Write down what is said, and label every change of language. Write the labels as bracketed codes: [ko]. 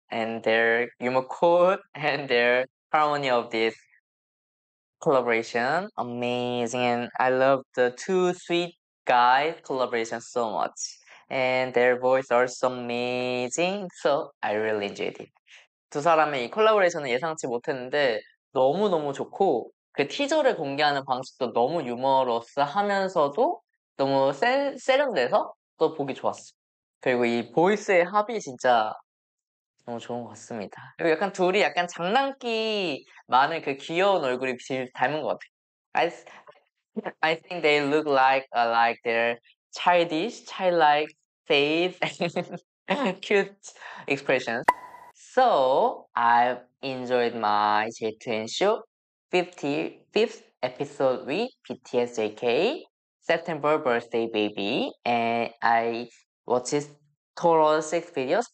[en] And their humor code and their harmony of this collaboration. Amazing. And I love the two sweet guys collaboration so much. And their voice are so amazing. So I really enjoyed it. [ko] 두 사람의 이 콜라보레이션은 예상치 못했는데 너무너무 좋고 그 티저를 공개하는 방식도 너무 유머러스 하면서도 너무 세련돼서 또 보기 좋았어. 그리고 이 보이스의 합이 진짜 너무 좋은 것 같습니다. 그리고 약간 둘이 약간 장난기 많은 그 귀여운 얼굴이 닮은 것 같아요. [en] I think they look like their childlike face and cute expressions. So I've enjoyed my J2N show 55th episode with BTS JK September birthday baby, and I watched total 6 videos.